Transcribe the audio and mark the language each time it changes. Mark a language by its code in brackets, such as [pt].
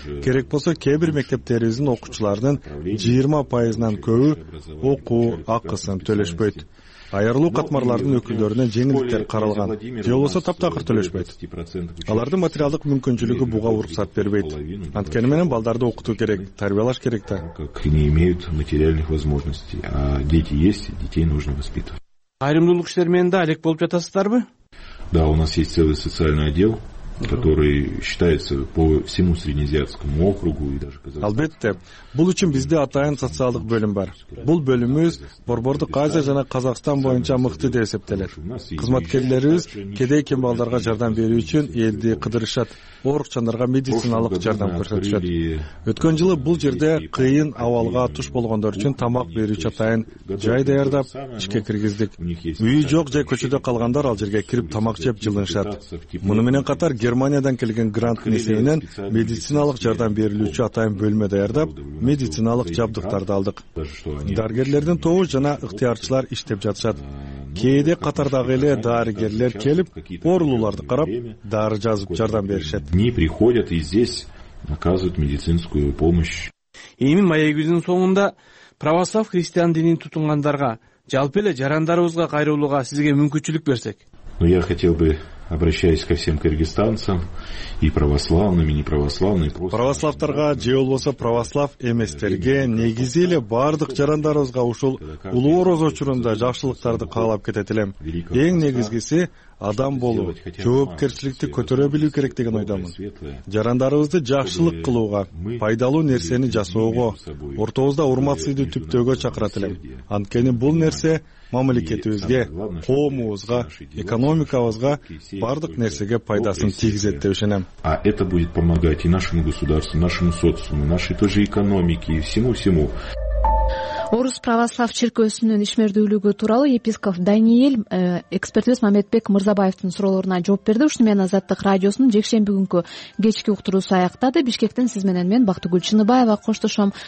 [ky] Керек болсо кээ бир мектептерибиздин окуучуларынын 20%нан көбү окуу акысын төлөшпөйт. Айырылуу катмарлардын өкүлдөрүнө жеңилдиктер каралган, же болбосо таптакыр төлөшпөйт. Алардын материалдык мүмкүнчүлүгү буга уруксат бербейт. Анткени менен балдарды окутуу керек, тарбиялаш керек да. [ru] Не имеют материальных возможностей, а дети есть, детей нужно воспитывать. [ky] Айрымдуулук иштер менен да алек болуп жатасыздарбы? [ru] Да, у нас есть целый социальный отдел, который считается по всему Среднеазиатскому округу и даже Казахстан. [ky] Албетте, бул үчүн бизде атайын социалдык бөлүм бар. Бул бөлүмүбүз Борбордук Азия жана Казакстан боюнча мыкты деп эсептелет. Кызматкерлерибиз кедей кембагалдарга жардам берүү үчүн элди кыдырышат, оорукчандарга медициналык жардам көрсөтүшөт. Өткөн жылы бул жерде кыйын абалга туш болгондор үчүн тамак берүүчү атайын жай даярдап ишке киргиздик. Үйү жок же көчөдө калгандар ал жерге кирип тамак жеп жылынышат. Муну менен катар Германиядан келген грант эсебинен медициналык жардам берилүүчү атайын бөлмө даярдап, медициналык жабдыктарды алдык. Дарыгерлердин тобу жана ыктыярчылар иштеп жатышат. Кээде катардагы эле дарыгерлер келип, оорулууларды карап, дары жазып жардам беришет. [ru] Не приходят и здесь оказывают медицинскую помощь. [ky] Эми маегибиздин соңунда православ христиан динин тутунгандарга, жалпы эле жарандарыбызга кайрылууга сизге мүмкүнчүлүк берсек. [ru] Но я хотел бы, обращаясь ко всем кыргызстанцам, и православным, и неправославным. [ky] Православтарга, же болбосо православ эместерге, негизи эле бардык жарандарыбызга ушул улуу орозо учурунда жакшылыктарды каалап кетет элем. Эң негизгиси адам болуу, жоопкерчиликти көтөрө билүү керек деген ойдомун. Жарандарыбызды жакшылык кылууга, пайдалуу нерсени жасоого, ортобузда урматсызды түптөөгө чакырат элем. Анткени бул нерсе мамлекетибизге, коомубузга, экономикабызга, бардык нерсеге пайдасын тийгизет деп ишенем. [ru] А это будет помогать и нашему государству, нашему социуму, нашей той же экономике и всему-всему. [ky] Орус православ чиркөөсүнүн ишмердүүлүгү тууралуу епископ Даниэль экспертибиз Маметбек Мырзабаевдин суроолоруна жооп берди. Ушуну менен Азаттык радиосунун жекшемби күнкү кечки уктуруусу аяктады. Бишкектен сиз менен мен Бактыгүл Чыныбаева коштошом.